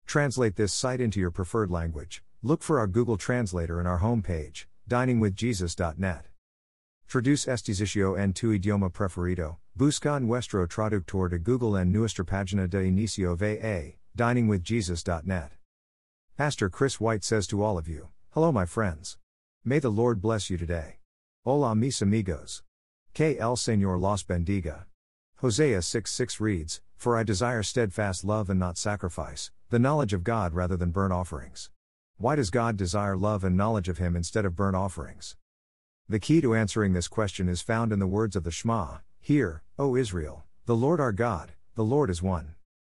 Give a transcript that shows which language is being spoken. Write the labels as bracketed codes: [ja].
[en] Translate this site into your preferred language. Look for our Google Translator in our homepage, diningwithjesus.net. [es] Traduce este sitio en tu idioma preferido. Busca nuestro traductor de Google en nuestra página de inicio VA, diningwithjesus.net. [en] Pastor Chris White says to all of you, hello my friends. May the Lord bless you today. [es] Hola mis amigos. Que el Señor los bendiga. [en] Hosea 6:6 reads, for I desire steadfast love and not sacrifice, the knowledge of God rather than burnt offerings. Why does God desire love and knowledge of Him instead of burnt offerings? The key to answering this question is found in the words of the Shema, hear, O Israel, the Lord our God, the Lord is one.